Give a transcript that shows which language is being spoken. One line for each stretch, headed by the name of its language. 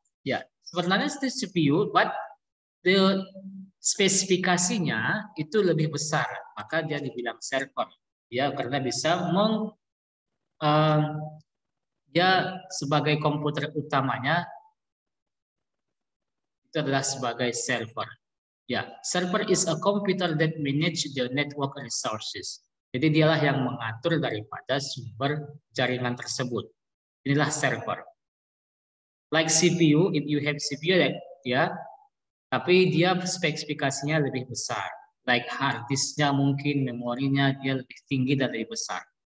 Indonesian: Ya, sebenarnya itu CPU but the spesifikasinya itu lebih besar, maka dia dibilang server ya, karena bisa meng ya sebagai komputer utamanya itu adalah sebagai server.
English: Ya, server is a computer that manage the network resources.
Indonesian: Jadi dialah yang mengatur daripada sumber jaringan tersebut. Inilah server.
English: Like CPU, if you have CPU like, ya.
Indonesian: Tapi dia spesifikasinya lebih besar. Like hard disk-nya mungkin memorinya dia lebih tinggi dan lebih besar.